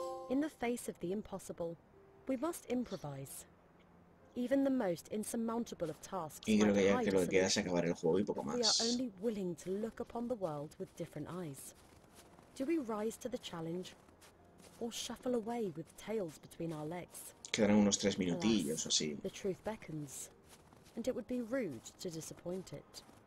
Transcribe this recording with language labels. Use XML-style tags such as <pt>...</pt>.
<en>In the face of the impossible, we must improvise. Even the most insurmountable of tasks.</en> <es>Y creo que ya que lo que queda es acabar el juego y poco más.</es> <en>We are only willing to look upon the world with different eyes. Do we rise to the challenge or shuffle away with tails between our legs?</en> <es>Quedarán unos 3 minutillos o así.</es> <en>The truth beckons. And it would be rude to disappoint it.</en>